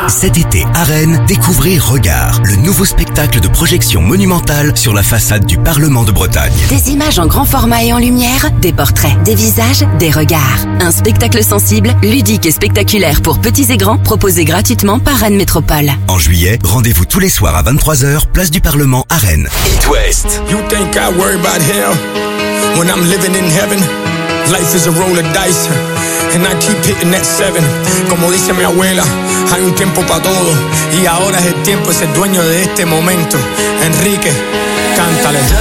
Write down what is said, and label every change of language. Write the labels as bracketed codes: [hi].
[fr] Cet été à Rennes, découvrez Regard, le nouveau spectacle de projection monumentale sur la façade du Parlement de Bretagne. Des images en grand format et en lumière, des portraits, des visages, des regards. Un spectacle sensible, ludique et spectaculaire pour petits et grands, proposé gratuitement par Rennes Métropole. En juillet, rendez-vous tous les soirs à 23h, place du Parlement à Rennes. [en] It West. You think I worry about hell when I'm living in heaven? Life is a roll of dice, and I keep hitting that seven. [es] Como dice mi abuela, hay un tiempo para todo, y ahora es el tiempo, es el dueño de este momento. Enrique, cántale.